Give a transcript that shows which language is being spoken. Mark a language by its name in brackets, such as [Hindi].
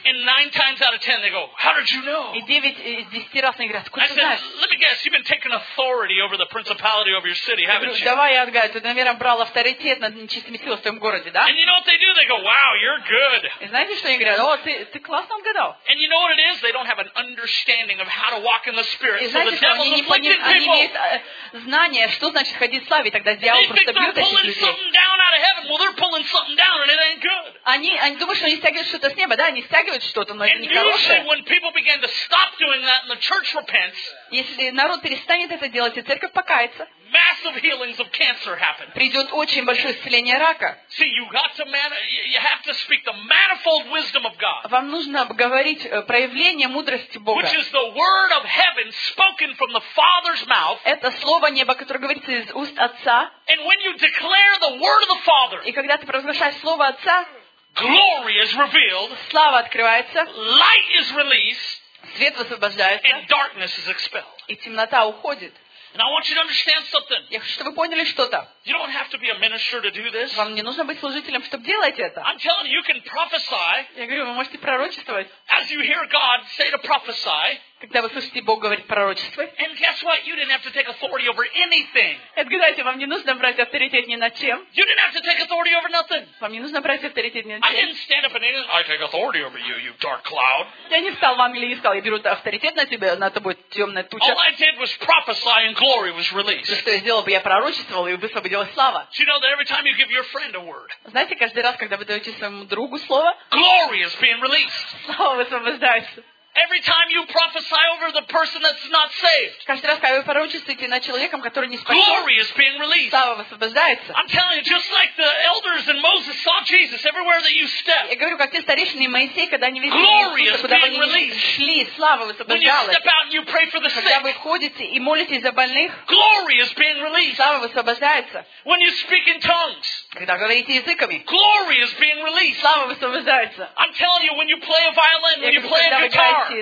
[English] And 9 times out of 10, they go, how did you know? [Russian] И 9 из 10 раз на игрок. [English] I said, let me guess, you've been taking authority over the principality over your city, haven't you? [Russian] Давай я отгадаю, ты, наверное, брал авторитет над нечистыми силами в твоем городе, да? [English] And you know what they do? They go, wow, you're good. [Russian] И знаете, что они говорят? О, ты классно отгадал. [English] And you know what it is? They don't have an understanding of how to walk in the spirit. [Russian] И знаете, что они имеют знание, что значит ходить в славе, тогда дьявол просто бьет этих людей. [English] They're pulling something down out of heaven. Well, they're pulling something down, and it ain't good. [Russian] Они думают, что они стягивают что-то с неба, да? Они стягивают что-то, но это не хорошее. [English] And when people began to stop doing that. The church repents. [Russian] Если народ перестанет это делать, и церковь покается. [English] Massive healings of cancer happen. [Russian] Придет очень большое исцеление рака. [English] See, you got to you have to speak the manifold wisdom of God. [Russian] Вам нужно говорить проявление мудрости Бога. [English] Which is the word of heaven spoken from the Father's mouth. [Russian] Это слово неба, которое говорится из уст Отца. [English] And when you declare the word of the Father. [Russian] И когда ты провозглашаешь слово Отца. [English] Glory is revealed. [Russian] Слава открывается. [English] Light is released. [Russian] Свет высвобождается, [English] and darkness is expelled. [Russian] И темнота уходит. [English] And I want you to understand something. [Russian] Я хочу, чтобы вы поняли что-то. [English] You don't have to be a minister to do this. [Russian] Вам не нужно быть служителем, чтобы делать это. [English] I'm telling you, you can prophesy. [Russian] Я говорю, вы можете пророчествовать. [English] As you hear God say to prophesy. [Russian] Когда вы слышите Бог говорить пророчество. [English] And guess what? You didn't have to take authority over anything. [Russian] Отгадайте, вам не нужно брать авторитет ни над чем. [English] You didn't have to take authority over nothing. [Russian] Вам не нужно брать авторитет ни над чем. [English] I didn't stand up and I take authority over you, you dark cloud. [Russian] Я не встал в ангеле и сказал, я беру авторитет на тебя, на тобой темная туча. [English] All I did was prophesy and glory was released. [Russian] Что я сделал бы, я пророчествовал и высвободилась слава. [English] Do you know that every time you give your friend a word? [Russian] Знаете, каждый раз, когда вы даете своему другу слово, [English] glory is being released. [Russian] Слава высвобождается. [English] Every time you prophesy over the person that's not saved. [Russian] Каждый раз, когда вы пророчествуете над человеком, который не спасен. [English] Glory is being released. [Russian] Слава высвобождается. [English] I'm telling you, just like the elders and Moses saw Jesus everywhere that you step. [Russian] Я говорю, как те старейшины и Моисей, когда они видели Иисуса, куда бы они шли, слава высвобождалась. [English] When you step out and you pray for the sick. [Russian] Когда вы ходите и молитесь за больных. [English] Glory is being released. [Russian] Слава высвобождается. [English] When you speak in tongues. [Russian] Когда говорите языками. [English] Glory is being released. [Russian] Слава высвобождается. [English] I'm telling you, when you play a violin, when you play a guitar.